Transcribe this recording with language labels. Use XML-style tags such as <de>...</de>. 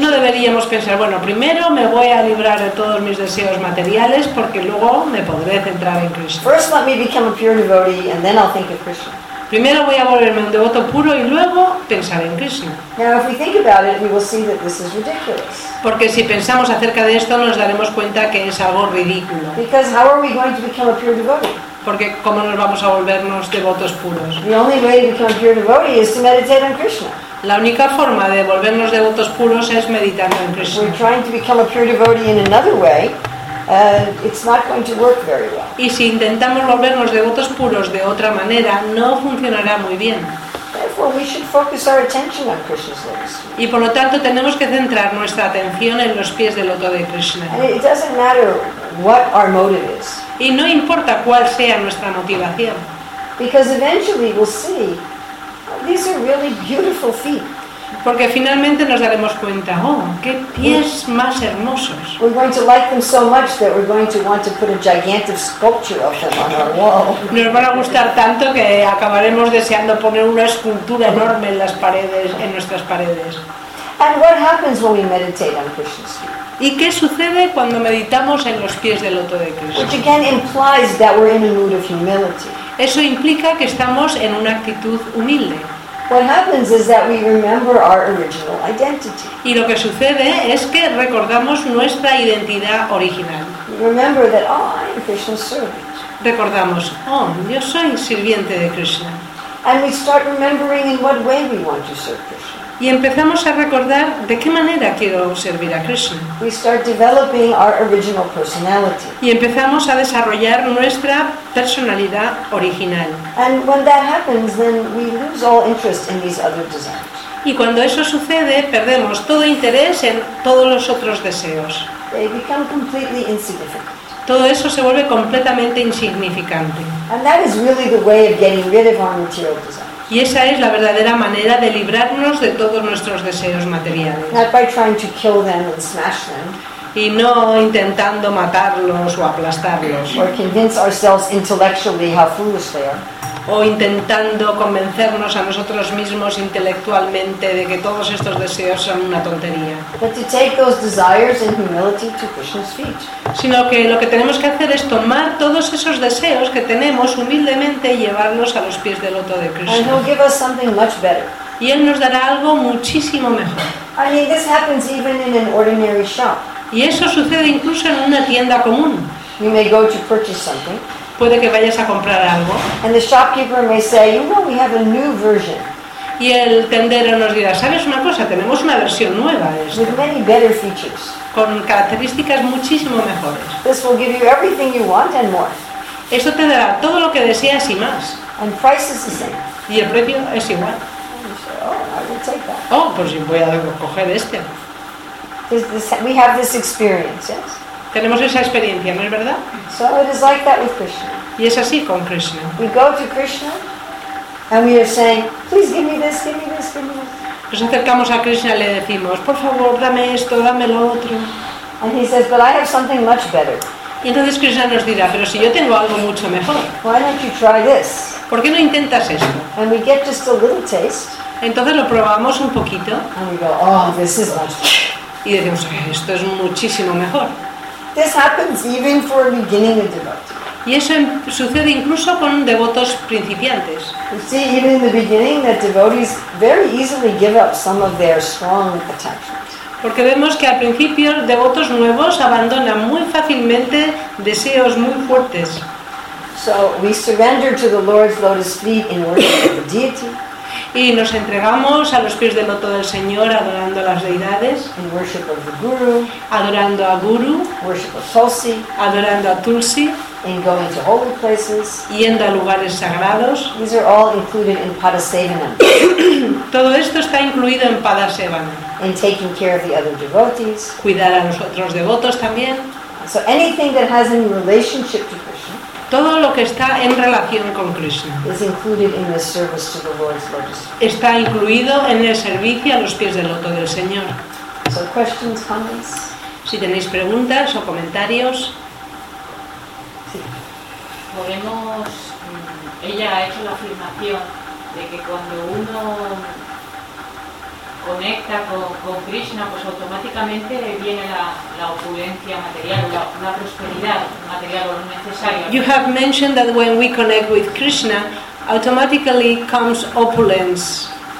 <es>No deberíamos pensar, bueno, primero me voy a librar de todos mis deseos materiales porque luego me podré centrar en Krishna.</es> <en>First let me become a pure devotee and then I'll think of Krishna.</en> <es>Primero voy a volverme un devoto puro y luego pensar en Krishna.</es> <en>Now, if we think about it, we will see that this is ridiculous.</en> <es>Porque si pensamos acerca de esto, nos daremos cuenta que es algo ridículo.</es> <en>Because how are we going to become a pure devotee?</en> <es>Porque ¿cómo nos vamos a volvernos devotos puros?</es> <en>The only way to become a pure devotee is to meditate on Krishna.</en> <es>La única forma de volvernos devotos puros es meditando en Krishna.</es> <en>We're trying to become a pure devotee in another way. It's not going to work very well.</en> <es>Y si intentamos volvernos devotos puros de otra manera, no funcionará muy bien.</es> <en>Therefore, we should focus our attention on Krishna's lotus feet.</en> <es>Y por lo tanto, tenemos que centrar nuestra atención en los pies del loto de Krishna.</es> <en>And it doesn't matter what our motive is.</en> <es>Y no importa cuál sea nuestra motivación.</es> <en>Because eventually we'll see these are really beautiful feet.</en> <es>Porque finalmente nos daremos cuenta, oh, qué pies más hermosos.</es> <en>We're going to like them so much that we're going to want to put a gigantic sculpture of them on our wall.</en> <es>Nos van a gustar tanto que acabaremos deseando poner una escultura enorme en las paredes, en nuestras paredes.</es> <en>And what happens when we meditate on Krishna's feet?</en> <es>¿Y qué sucede cuando meditamos en los pies del loto de Krishna?</es> <en>Which again implies that we're in a mood of humility.</en> <es>Eso implica que estamos en una actitud humilde.</es> <en>What happens is that we remember our original identity.</en> <es>Y lo que sucede es que recordamos nuestra identidad original.</es> <en>Remember that, oh, I am Krishna's servant.</en> <es>Recordamos, oh, yo soy sirviente de Krishna.</es> <en>And we start remembering in what way we want to serve Krishna.</en> <es>Y empezamos a recordar de qué manera quiero servir a Krishna.</es> <en>We start developing our original personality.</en> <es>Y empezamos a desarrollar nuestra personalidad original.</es> <en>And when that happens, then we lose all interest in these other desires.</en> <es>Y cuando eso sucede, perdemos todo interés en todos los otros deseos.</es> <en>They become completely insignificant.</en> <es>Todo eso se vuelve completamente insignificante.</es> <en>And that is really the way of getting rid of our material desires.</en> <es>Y esa es la verdadera manera de librarnos de todos nuestros deseos materiales.</es> <en>Not by trying to kill them and smash them.</en> <es>Y no intentando matarlos o aplastarlos.</es> <en>Or convince ourselves intellectually how foolish they are.</en> <es>O intentando convencernos a nosotros mismos intelectualmente de que todos estos deseos son una tontería.</es> <en>But to take those desires in humility to Krishna's feet.</en> <es>Sino que lo que tenemos que hacer es tomar todos esos deseos que tenemos humildemente y llevarlos a los pies del loto de Krishna.</es> <en>And he'll give us something much better.</en> <es>Y él nos dará algo muchísimo mejor.</es> <en>I mean, this happens even in an ordinary shop.</en> <es>Y eso sucede incluso en una tienda común.</es> <en>You may go to purchase something.</en> <es>Puede que vayas a comprar algo.</es> <en>And the shopkeeper may say, you know, we have a new version.</en> <es>Y el tendero nos dirá, ¿sabes una cosa? Tenemos una versión nueva de esto.</es> <en>With many better features.</en> <es>Con características muchísimo mejores.</es> <en>This will give you everything you want and more.</en> <es>Esto te dará todo lo que deseas y más.</es> <en>And price is the same.</en> <es>Y el precio es igual.</es> <en>And you say, oh, I will take that.</en> <es>Oh, pues voy a coger este.</es> <en>We have this experience, yes?</en> <es>Tenemos esa experiencia, ¿no es verdad?</es> <en>So it is like that with Krishna.</en> <es>Y es así con Krishna.</es> <en>We go to Krishna and we are saying, please give me this, give me this, give me this.</en> <es>Nos acercamos a Krishna y le decimos, por favor, dame esto, dame lo otro.</es> <en>And he says, but I have something much better.</en> <es>Y entonces Krishna nos dirá, pero si yo tengo algo mucho mejor.</es> <en>Why don't you try this?</en> <es>¿Por qué no intentas esto?</es> <en>And we get just a little taste.</en> <es>Entonces lo probamos un poquito.</es> <en>And we go, oh, this is much.</en> <es>Y decimos, esto es muchísimo mejor.</es> <en>This happens even for a beginning devotee.</en> <es>Y eso sucede incluso con devotos principiantes.</es> <en>You see, even in the beginning, that devotees very easily give up some of their strong attachments.</en> <es>Porque vemos que al principio devotos nuevos abandonan muy fácilmente deseos muy fuertes.</es> <en>So we surrender to the Lord's lotus feet in worship of the deity.</en> <es>Y nos entregamos a los pies del loto del Señor adorando a las deidades.</es> <en>In worship of the Guru.</en> <es>Adorando a Guru.</es> <en>Worship of Tulsi.</en> <es>Adorando a Tulsi.</es> <en>In going to holy places.</en> <es>Yendo a lugares sagrados.</es> <en>These are all included in Padasevanam.</en> <es>Todo esto está incluido en Padasevanam.</es> <en>In taking care of the other devotees.</en> <es>Cuidar a los otros devotos también.</es> <en>So anything that has any relationship to Krishna.</en> <es>Todo lo que está en relación con Krishna.</es> <en>Is included in the service to the Lord's lotus.</en> <es>Está incluido en el servicio a los pies del loto del Señor.</es> <en>So questions, comments.</en> <es>Si tenéis preguntas o comentarios. Podemos, ella ha hecho la afirmación de que cuando uno conecta con Krishna, pues automáticamente viene la opulencia material, la prosperidad material o lo necesario.</es> <en>You have mentioned that when we connect with Krishna, automatically comes opulence.</en>